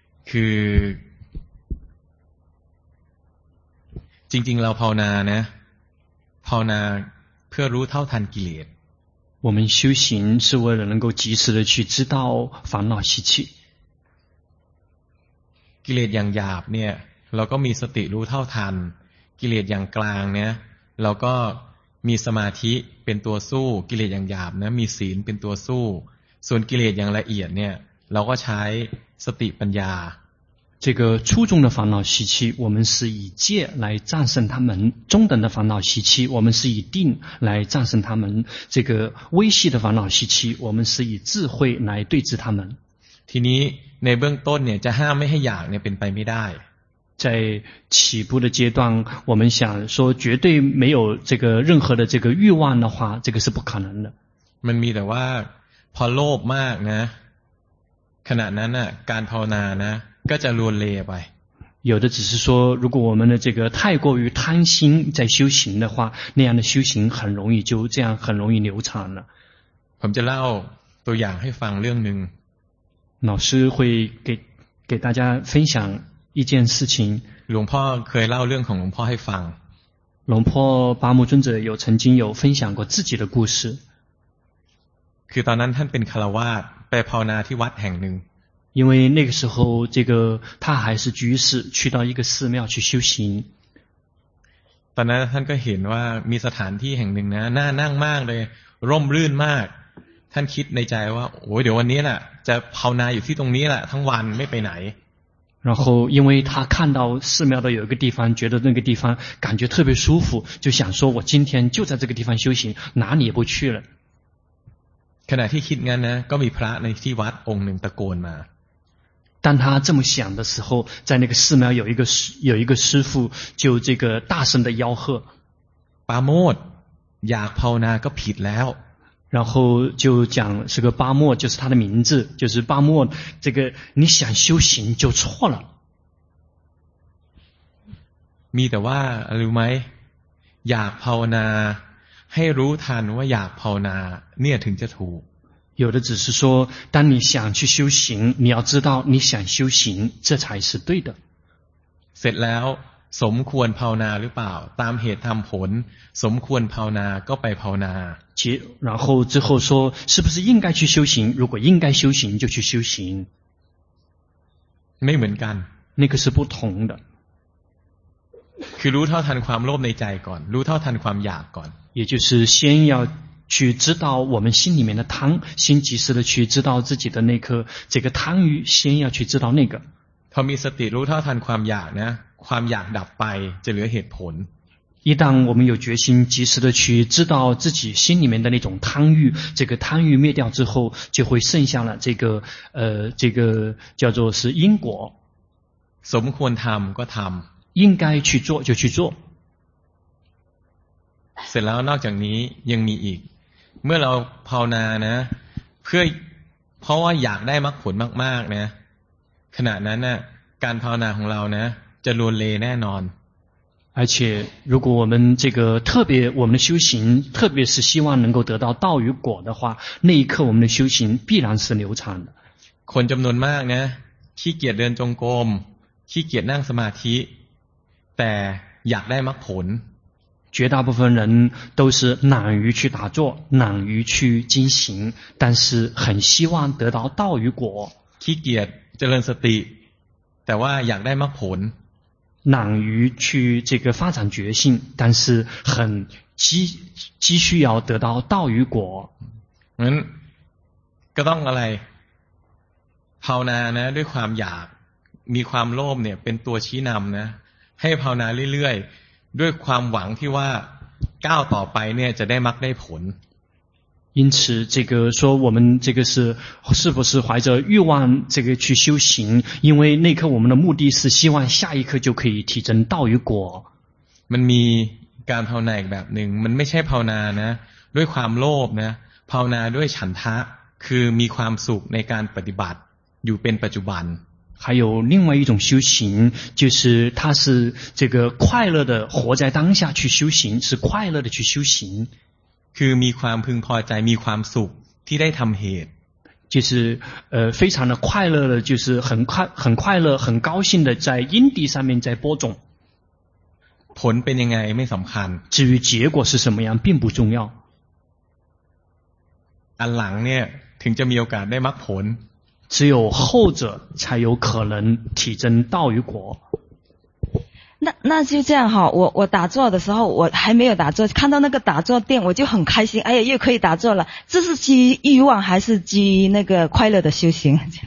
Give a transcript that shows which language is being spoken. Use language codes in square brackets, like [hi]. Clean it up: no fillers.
[th] คือจริงๆเราภาวนานะภาวนาเพื่อรู้เท่าทันกิเลส [zh] 我们修行是为了能够及时的去知道烦恼习气。 [th] กิเลสอย่างหยาบเนี่ยเราก็มีสติรู้เท่าทันกิเลสอย่างกลางเนี่ยเราก็มีสมาธิเป็นตัวสู้กิเลสอย่างหยาบนะมีศีลเป็นตัวสู้ส่วนกิเลสอย่างละเอียดเนี่ยเราก็ใช้สติปัญญา [zh] 这个初中的烦恼习气我们是以戒来战胜他们中等的烦恼习气我们是以定来战胜他们这个微细的烦恼习气我们是以智慧来对治他们 [th] ทีนี้ในเบื้องต้นเนี่ยจะห้ามไม่ให้อยากเนี่ยเป็นไปไม่ได้ [zh] 在起步的阶段我们想说绝对没有这个任何的这个欲望的话这个是不可能的 [th] มันมีแต่ว่าพอโลภมากนะขณะนั้นน่ะการภาวนานะก็จะลวนเลวไป [zh] 有的只是说如果我们的这个太过于贪心在修行的话那样的修行很容易就这样很容易流产了 [th] ผมจะเล่าตัวอย่างให้ฟังเรื่องนึง [zh] 老师会给大家分享一件事情 [th] หลวงพ่อเคยเล่าเรื่องของหลวงพ่อให้ฟัง [zh] หลวงพ่อ八木尊者有曾经有分享过自己的故事 [th] คือตอนนั้นท่านเป็นฆราวาสไปภาวนาที่วัดแห่งหนึ่ง [zh] 因为那个时候这个他还是居士去到一个寺庙去修行 [th] ตอนนั้นท่านก็เห็นว่ามีสถานที่แห่งหนึ่งนะน่านั่งมากเลยร่มรื่นมากท่านคิดในใจว่าโอ้ยเดี๋ยววันนี้แหละจะภาวนาอยู่ที่ตรงนี้แหละทั้งวันไม่ไปไหน [zh] 然后因为他看到寺庙的有一个地方觉得那个地方感觉特别舒服就想说我今天就在这个地方修行哪里也不去了 [th] ขณะที่คิดงั้นนะก็มีพระในที่วัดองค์หนึ่งตะโกนมา [zh] 当他这么想的时候在那个寺庙有一个师父就这个大声的吆喝 [th] ปาโมดอยากภาวนาก็ผิดแล้ว [zh] 然后就讲这个巴莫就是他的名字就是巴莫这个你想修行就错了 [th] มีแต่ว่ารู้ไหมอยากภาวนาให้รู้ทันว่าอยากภาวนาเนี่ยถึงจะถูก [zh] 有的只是说当你想去修行你要知道你想修行这才是对的 [th] เสร็จแล้วสมควรภาวนาหรือเปล่าตามเหตุตามผลสมควรภาวนาก็ไปภาวนา [zh] 然后之后说是不是应该去修行如果应该修行就去修行 [th] ไม่เหมือนกัน [zh] 那个是不同的 [th] คือรู้เท่าทันความโลภในใจก่อนรู้เท่าทันความอยากก่อน [zh] 也就是先要去知道我们心里面的贪先及时的去知道自己的那颗这个贪欲先要去知道那个 [th] พอมีสติรู้เท่าทันความอยากนะความอยากดับไปจะเหลือเหตุผล [zh] 一旦我们有决心及时的去知道自己心里面的那种贪欲这个贪欲灭掉之后就会剩下了这个叫做是因果 [th] สมควรทำก็ทำ [zh] 应该去做就去做 [th] สร็จแล้วนอกจากนี้ยังมีอีกเมื่อเราภาวนานะเพราะว่าอยากได้มรรคผลมากๆนะขณะนั้นนะการภาวนาของเรานะจะลวนเลแน่นอน [zh] 而且如果我们这个特别我们的修行特别是希望能够得到道与果的话那一刻我们的修行必然是流畅的 [th] คนจำนวนมากนะขี้เกียจเดินจงกรมขี้เกียจนั่งสมาธิแต่อยากได้มรรคผล [zh] 绝大部分人都是懒于去打坐懒于去精行但是很希望得到道与果 [th] ขี้เกียจเจริญสติแต่ว่าอยากได้มรรคผล [zh] 懒于去这个发展觉性但是很急需要得到道与果 [th] ก็ต้องอะไรภาวนานะด้วยความอยากมีความโลภเนี่ยเป็นตัวชี้นำนะให้ภาวนาเรื่อยๆด้วยความหวังที่ว่าก้าวต่อไปเนี่ยจะได้มรรคได้ผล [zh] 因此这个说我们这个是不是怀着欲望这个去修行因为那刻我们的目的是希望下一刻就可以提升道与果 [th] มันมีการภาวนาอีกแบบหนึ่งมันไม่ใช่ภาวนานะด้วยความโลภนะภาวนาด้วยฉันทะคือมีความสุขในการปฏิบัติอยู่เป็นปัจจุบัน [zh] 还有另外一种修行就是它是这个快乐的活在当下去修行是快乐的去修行 [th] คือมีความพึงพอใจมีความสุขที่ได้ทำเหตุ [zh] 就是非常的快乐的就是很快乐很高兴的在因地上面在播种 [th] ผลเป็นยังไงไม่สำคัญ [zh] 至于结果是什么样并不重要 [th] อันหลังเนี่ยถึงจะมีโอกาสได้มรรคผล [zh] 只有后者才有可能体证道与果那就这样哈，我打坐的时候，我还没有打坐，看到那个打坐垫，我就很开心，哎呀，又可以打坐了。这是基于欲望还是基于那个快乐的修行？